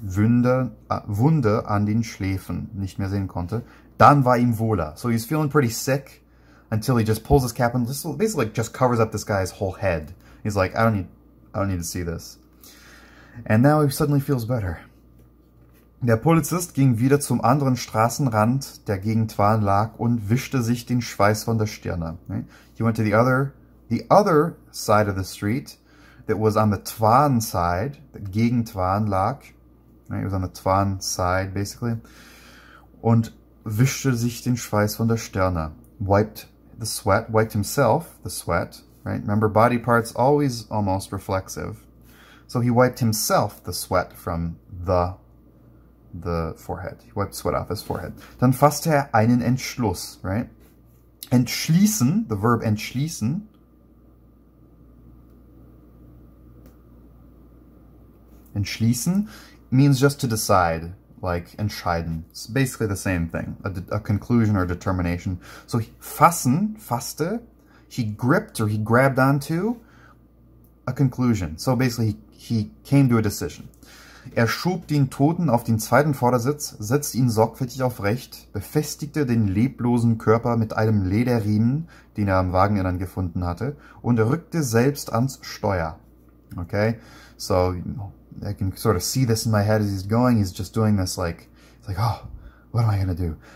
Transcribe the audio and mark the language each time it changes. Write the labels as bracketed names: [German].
[German] Wunde an den Schläfen, nicht mehr sehen konnte. Dann war ihm wohler. [English] So he's feeling pretty sick until he just pulls his cap and basically just covers up this guy's whole head. He's like, I don't need to see this. And now he suddenly feels better. [German] Der Polizist ging wieder zum anderen Straßenrand, der gegen Twan lag, und wischte sich den Schweiß von der Stirne. [English] He went to the other side of the street that was on the Twan side, that [German] gegen Twan lag. [English] He was on the Twan side, basically. [German] Und wischte sich den Schweiß von der Stirne. [English] Wiped himself the sweat. Right? Remember, body parts always almost reflexive. So he wiped himself the sweat from the forehead. He wiped sweat off his forehead. [German] Dann fasste er einen Entschluss, [English] right? Entschließen, the verb entschließen. Entschließen means just to decide, like entscheiden. It's basically the same thing, a conclusion or determination. So fasste, he gripped or he grabbed onto a conclusion. So basically he came to a decision. [German] Er schob den Toten auf den zweiten Vordersitz, setzte ihn sorgfältig aufrecht, befestigte den leblosen Körper mit einem Lederriemen, den er am Wageninnern gefunden hatte, und rückte selbst ans Steuer. [English] Okay, so I can sort of see this in my head as he's going. He's just doing this like, it's like, oh, what am I going to do?